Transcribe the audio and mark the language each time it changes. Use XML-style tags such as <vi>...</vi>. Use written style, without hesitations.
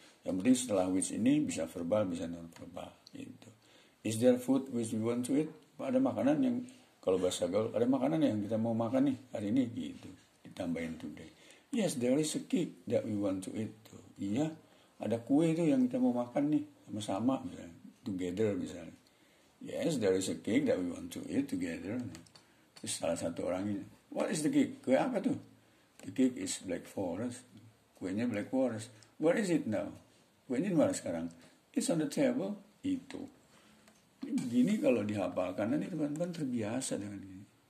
<id>Yang penting setelah which ini bisa verbal, bisa non verbal gitu.</id> <en>Is there food which we want to eat?</en> <id>Ada makanan yang, kalau bahasa gaul, ada makanan yang kita mau makan nih hari ini gitu, ditambahin today.</id> <en>Yes, there is a cake that we want to eat tuh.</en> <id>Iya, ada kue tuh yang kita mau makan nih sama-sama misalnya, together misalnya.</id> <en>Yes, there is a cake that we want to eat together.</en> <id>Salah satu orang ini,</id> <en>what is the cake?</en> <id>Kue apa tuh?</id> <en>The cake is Black Forest.</en> <id>Kuenya Black Forest.</id> <en>Where is it now?</en> <id>Kuenya di mana sekarang?</id> <en>It's on the table. Itu.</en> <id>Ini begini kalau dihafalkan, nanti teman-teman terbiasa dengan ini.</id>